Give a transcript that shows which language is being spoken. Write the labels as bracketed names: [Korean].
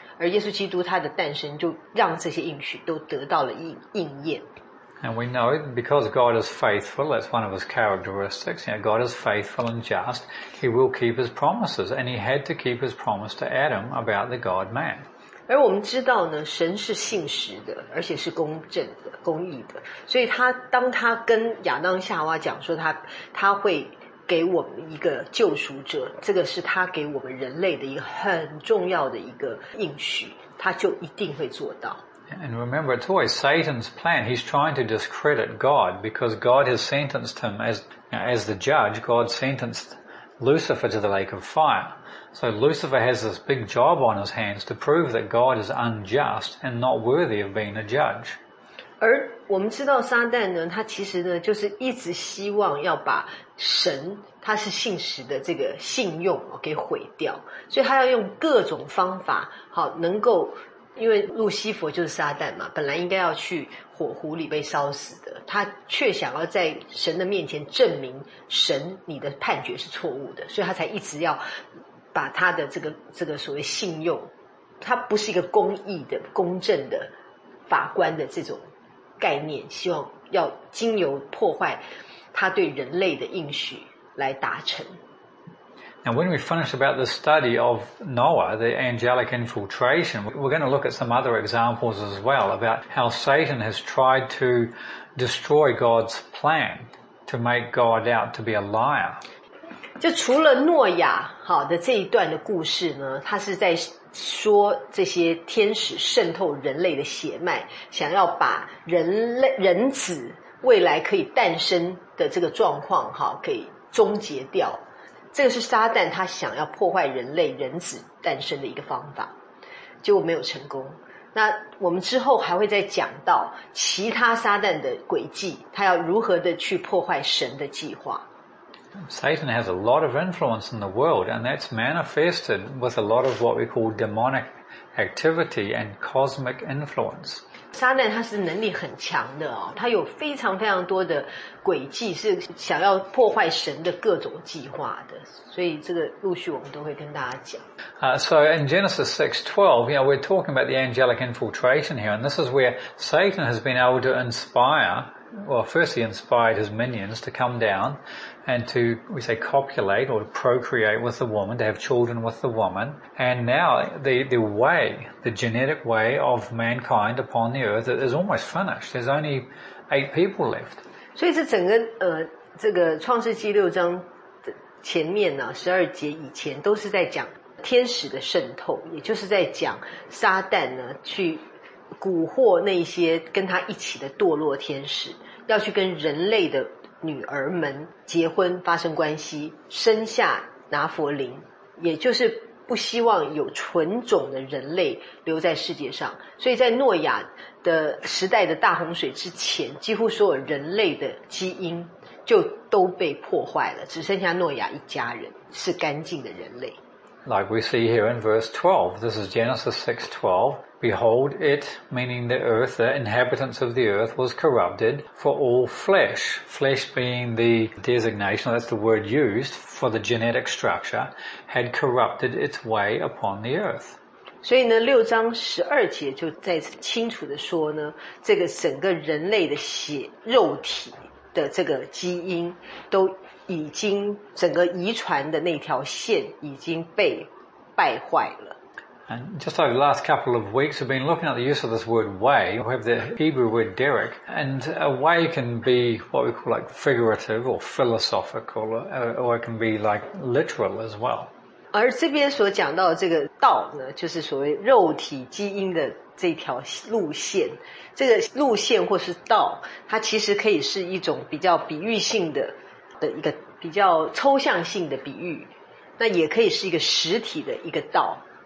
[Chinese] 而耶稣基督他的诞生就让这些应许都得到了应验。 [English] And we know because God is faithful, that's one of his characteristics. You know, God is faithful and just. He will keep his promises. And he had to keep his promise to Adam about the God-man. [Chinese] 而我们知道呢，神是信实的，而且是公正的、公义的。所以当他跟亚当夏娃讲说他会给我们一个救赎者，这个是他给我们人类的一个很重要的一个应许，他就一定会做到。 [English] And remember, it's always Satan's plan. He's trying to discredit God because God has sentenced him as the judge. God sentenced Lucifer to the lake of fire. So Lucifer has this big job on his hands to prove that God is unjust and not worthy of being a judge. [Chinese] 而我们知道撒旦呢，他其实呢就是一直希望要把神他是信实的这个信用给毁掉，所以他要用各种方法好能够。因为路西佛就是撒旦嘛，本来应该要去火湖里被烧死的，他却想要在神的面前证明神你的判决是错误的，所以他才一直要把他的这个所谓信用，他不是一个公义的公正的法官的这种概念，希望要经由破坏他对人类的应许来达成。 [English] And when we finish about the study of Noah, the angelic infiltration, we're going to look at some other examples as well about how Satan has tried to destroy God's plan to make God out to be a liar. [Chinese] 就除了诺亚好的这一段的故事呢，他是在说这些天使渗透人类的血脉，想要把人子未来可以诞生的这个状况好给终结掉。这个是撒旦他想要破坏人类人子诞生的一个方法，结果没有成功。那我们之后还会再讲到其他撒旦的诡计，他要如何的去破坏神的计划。 [English] Satan has a lot of influence in the world, and that's manifested with a lot of what we call demonic activity and cosmic influence. [Chinese] Satan 他是能力很强的哦，他有非常非常多的诡计，是想要破坏神的各种计划的。所以这个陆续我们都会跟大家讲。 [English] So in Genesis 6:12, you know, we're talking about the angelic infiltration here, and this is where Satan has been able to inspire. Well, first he inspired his minions to come down. And to, we say, copulate or procreate with the woman, to have children with the woman. And now the way, the genetic way of mankind upon the earth is almost finished. There's only 8 people left. [Chinese] 所以这整个这个创世纪六章的前面呢，十二节以前都是在讲天使的渗透，也就是在讲撒旦呢去蛊惑那些跟他一起的堕落天使，要去跟人类的女儿们结婚发生关系，生下拿佛灵，也就是不希望有纯种的人类留在世界上。所以在诺亚的时代的大洪水之前，几乎所有人类的基因就都被破坏了，只剩下诺亚一家人是干净的人类。 [English] Like we see here in verse 12, this is Genesis 6:12. Behold, it, meaning the earth, the inhabitants of the earth, was corrupted for all flesh. Flesh being the designation, that's the word used for the genetic structure, had corrupted its way upon the earth. [Chinese] 所以呢，六章十二节就在清楚地说呢，这个整个人类的血肉体的这个基因都已经整个遗传的那条线已经被败坏了。 [English] And just over the last couple of weeks, we've been looking at the use of this word way. We have the Hebrew word derek. And a way can be what we call like figurative or philosophical, or it can be like literal as well. [Chinese] 而这边所讲到的这个道呢，就是所谓肉体基因的这条路线。这个路线或是道，它其实可以是一种比较比喻性的一个比较抽象性的比喻。那也可以是一个实体的一个道。